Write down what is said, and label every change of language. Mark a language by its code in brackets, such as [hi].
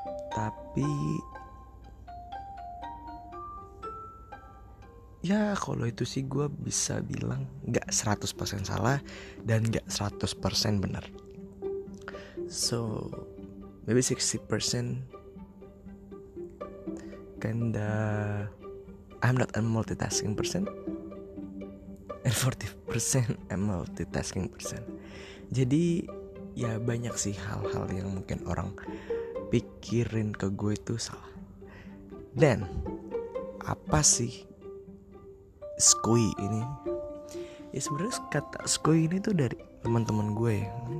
[id] Tapi ya kalau itu sih gue bisa bilang gak 100% salah dan gak 100% benar. [en] So maybe 60% kinda I'm not a multitasking person and 40% I'm multitasking person. [id] Jadi ya banyak sih hal-hal yang mungkin orang pikirin ke gue itu salah. Dan apa sih Skuy ini? Ya sebenarnya kata Skuy ini tuh dari teman-teman gue ya.